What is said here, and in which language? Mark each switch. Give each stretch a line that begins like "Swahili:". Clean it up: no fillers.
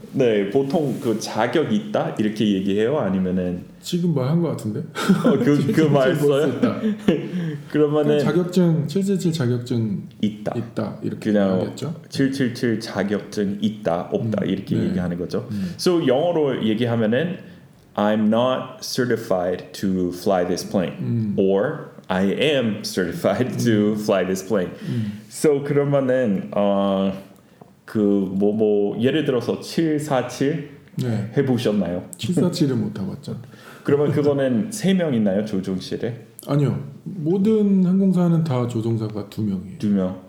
Korean: 네, 보통 그 자격 있다 이렇게 얘기해요. 아니면은 지금 말한 것 같은데? 그 말 써요? 그러면은 자격증 777 자격증 있다. 있다 이렇게 그냥 말하겠죠? 777 자격증 있다 없다 이렇게 네. 얘기하는 거죠.
English: So
Korean: 영어로 얘기하면은
English: I'm not certified to fly this plane, or I am certified to fly this plane.
Korean: So 그러면은 그 뭐 예를 들어서 747 네. 해보셨나요? 747을 못 타봤죠. 그러면 그거는 세 명 있나요 조종실에? 아니요, 모든 항공사는 다 조종사가 두 명이에요. 두 명.